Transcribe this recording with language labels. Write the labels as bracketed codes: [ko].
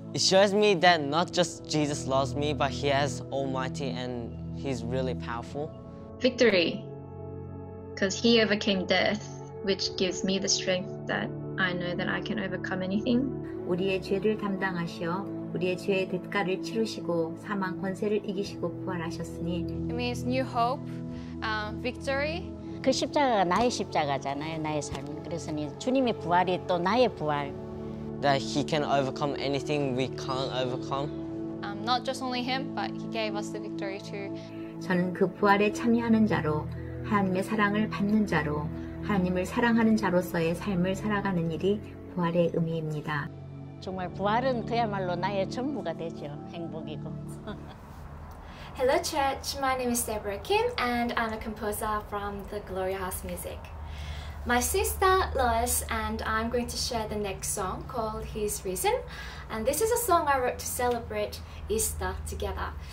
[en] It shows me that not just Jesus loves me, but he has almighty and he's really powerful. Victory, because he overcame death, which gives me the strength that I know that I can overcome anything. [ko] 우리의 죄를 담당하시어 우리의 죄의 대가를 치르시고 사망 권세를 이기시고 부활하셨으니. [en] It means new hope, victory. [ko] 그 십자가가 나의 십자가잖아요, 나의 삶. 그래서 주님의 부활이 또 나의 부활. [en] That he can overcome anything we can't overcome. Not just only him, but he gave us the victory too. [ko] 저는 그 부활에 참여하는 자로 하나님의 사랑을 받는 자로 하나님을 사랑하는 자로서의 삶을 살아가는 일이 부활의 의미입니다. 정말 부활은 그야말로 나의 전부가 되죠. 행복이고. [en] Hello church, my name is Deborah Kim and I'm a composer from the Glory House Music. My sister Lois and I'm going to share the next song called His Reason. And this is a song I wrote to celebrate Easter together.